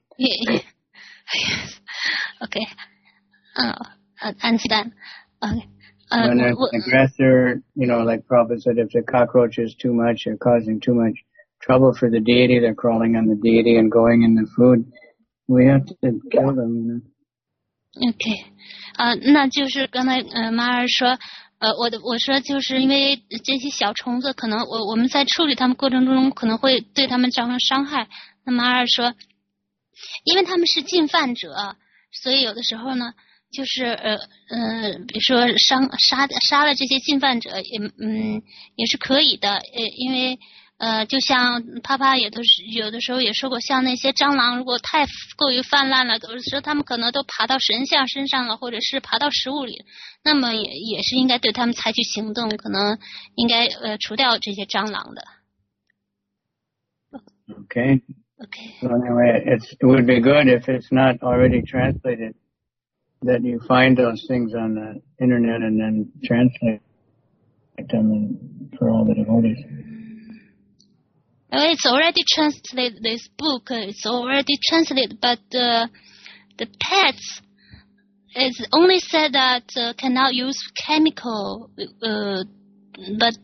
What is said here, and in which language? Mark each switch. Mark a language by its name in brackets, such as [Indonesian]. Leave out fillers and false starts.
[English] Yes. Okay. Oh, I understand. Okay. When there's an aggressor, you know, like Prabhupada said, if the cockroach is too much, they're causing too much trouble for the deity, they're crawling on the deity and going in the food, we have to kill them, you know. [Chinese] Okay, 那就是刚才妈儿说，我说就是因为这些小虫子，可能我们在处理它们过程中可能会对它们造成伤害。那妈儿说，因为他们是进犯者，所以有的时候呢，就是比如说杀了这些进犯者也是可以的，因为。就像啪啪也都是有的时候也说过，像那些蟑螂如果太过于泛滥了，有的时候他们可能都爬到神像身上了，或者是爬到食物里，那么也是应该对他们采取行动，可能应该除掉这些蟑螂的。 [English] Okay. So anyway, it would be good if it's not already translated that you find those things on the internet and then translate them for all the devotees. It's already translated, this book, it's already translated, but the pets, it's only said that cannot use chemical, but...